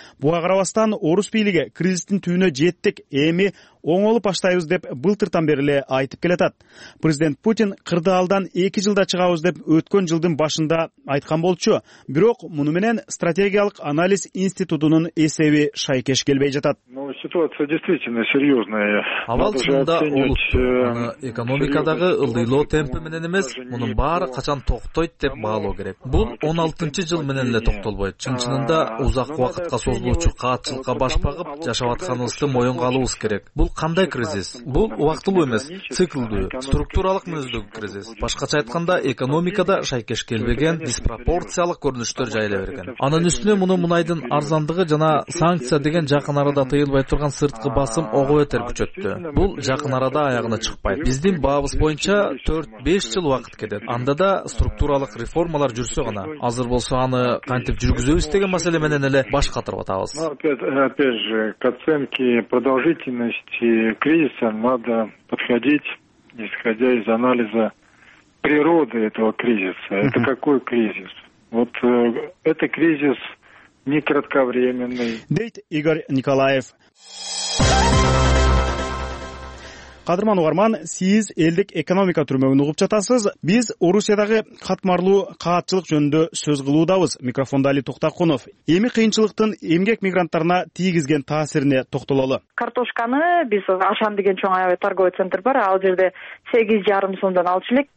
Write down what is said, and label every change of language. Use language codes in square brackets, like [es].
[ky] Буга карабастан орус бийлиги кризистин түбүнө жеттик, эми оңолуп баштайбыз деп былтыртан бери эле айтып келатат. Президент Путин кырдаалдан 2 жылда чыгабыз деп өткөн жылдын башында айткан болчу. Бирок муну менен стратегиялык анализ институтунун эсеби шайкеш келбей жатат. [ru] Ситуация действительно серьезная. [ky] Абал чынында улутту. Аны экономикадагы ылдыйлоо темпи менен эмес, мунун баары качан токтойт деп баалоо керек. Бул 16 жыл менен эле токтолбойт. Чын чынында узак убакытка созулуучу каатчылыкка баш багып жашап атканыбызды моюнга алуубуз керек. Бул кандай кризис? Бул убактылуу эмес, циклдүү, структуралык мүнөздөгү кризис. Башкача айтканда, экономикада шайкеш келбеген диспропорциялык көрүнүштөр жайыла берген. Анын үстүнө муну мунайдын арзандыгы жана санкция деген жакын арада тыйылбай турган сырткы басым ого бетер күчөттү. Бул жакын арада аягына чыкпайт. Биздин баабыз боюнча 4-5 жыл убакыт кетет. Анда да структуралык реформалар жүрсө гана, азыр болсо аны кантип жүргүзөбүз деген маселе менен эле баш катырып атабыз. [ru] Опять же, к оценке продолжительности кризиса надо подходить, исходя из анализа природы этого кризиса. Это какой кризис? Вот это кризис не кратковременный. [ky] Дейт Игорь Николаев. Кадырман угарман, сиз элдик экономика түрмөгүн угуп жатасыз. Биз Орусиядагы катмарлуу каатчылык жөнүндө сөз кылуудабыз. Микрофондо Али Токтокунов. Эми кыйынчылыктын эмгек мигранттарына тийгизген таасирине токтололу. Картошканы биз Ашан деген чоң аябай [ru] торговый центр [ky] бар, ал жерде 8.5 сомдон алчу элек.